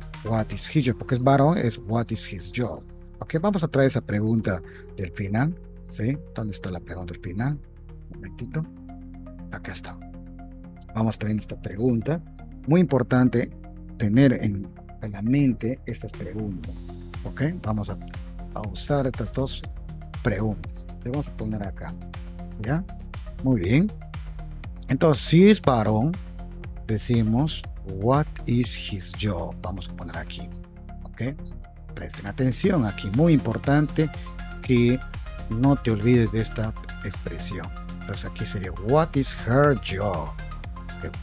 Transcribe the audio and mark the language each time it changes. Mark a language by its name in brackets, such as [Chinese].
[English] What is his job? [Spanish] Porque es varón, es [English] what is his job. [Spanish] Ok, vamos a traer esa pregunta del final. ¿Sí? ¿Dónde está la pregunta del final? Un momentito. Acá está. Vamos a traer esta pregunta. Muy importante tener en la mente estas preguntas. Ok, vamos a usar estas dos preguntas. Le vamos a poner acá. ¿Ya? Muy bien. Entonces, si es varón, decimos, [English] what is his job? [Spanish] Vamos a poner aquí. Ok. Presten atención aquí. Muy importante que no te olvides de esta expresión. Entonces aquí sería, [English] what is her job? Okay.